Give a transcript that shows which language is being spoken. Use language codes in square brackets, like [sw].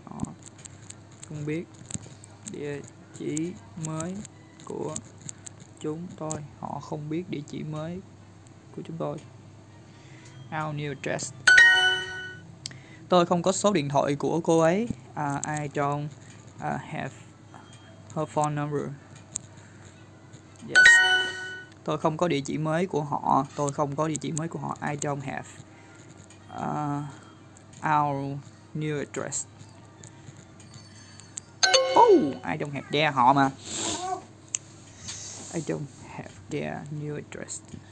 [vi] Họ không biết địa chỉ mới của chúng tôi. Họ không biết địa chỉ mới của chúng tôi. [en] Our new address. [vi] Tôi không có số điện thoại của cô ấy. [en] I don't have her phone number. Yes. [vi] Tôi không có địa chỉ mới của họ. [en] I don't have our new address. Oh, I don't have their [vi] họ mà. [en] I don't have their new address.